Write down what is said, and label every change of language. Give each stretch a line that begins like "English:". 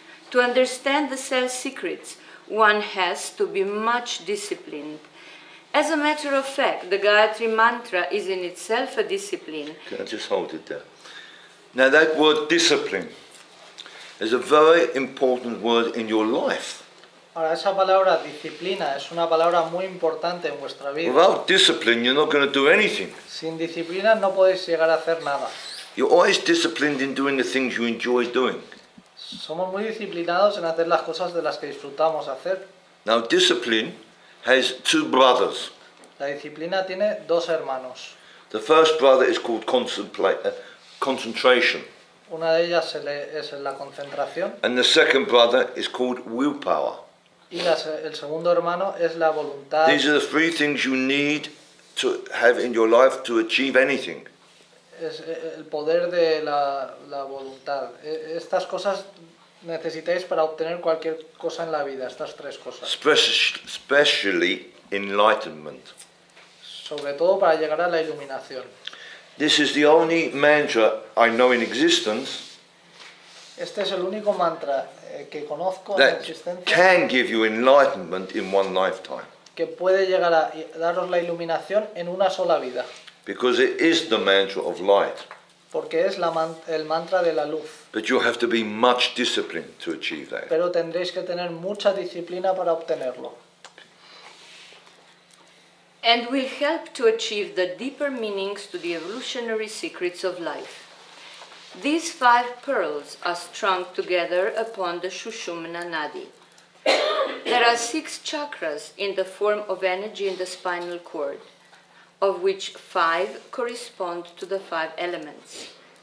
English: To understand the cell secrets, one has to be much disciplined. As a matter of fact, the Gayatri Mantra is in itself a discipline. Can I just hold it there? Now that word discipline is a very important word in your life.
Spanish: Ahora, esa palabra disciplina es una palabra muy importante en vuestra vida.
English: Without discipline, you're not going to do anything.
Spanish: Sin disciplina no podéis llegar a hacer nada.
English: You're always disciplined in doing the things you enjoy doing.
Spanish: Somos muy disciplinados en hacer las cosas de las que disfrutamos hacer.
English: Now, discipline has two brothers.
Spanish: La disciplina tiene dos hermanos.
English: The first brother is called concentration.
Spanish: Una de ellas es la concentración.
English: And the second brother is called willpower.
Spanish: Y el segundo hermano es la voluntad.
English: These are the three things you need to have in your life to achieve anything.
Spanish: Es el poder de la voluntad. Estas cosas necesitáis para obtener cualquier cosa en la vida, estas tres cosas. Especially enlightenment. Sobre todo para llegar a la iluminación.
English: This is the only mantra I know in existence.
Spanish: Este es el único mantra que conozco
English: that
Spanish: en existencia
English: can give you enlightenment in one lifetime.
Spanish: Que puede llegar a daros la iluminación en una sola vida.
English: Because it is the mantra of light.
Spanish: Porque es el mantra de la luz.
English: But you have to be much disciplined to achieve that.
Spanish: Pero tendréis que tener mucha disciplina para obtenerlo.
English: And will help to achieve the deeper meanings to the evolutionary secrets of life. These five pearls are strung together upon the Shushumna Nadi. There are six chakras in the form of energy in the spinal cord, of which five correspond to the five elements.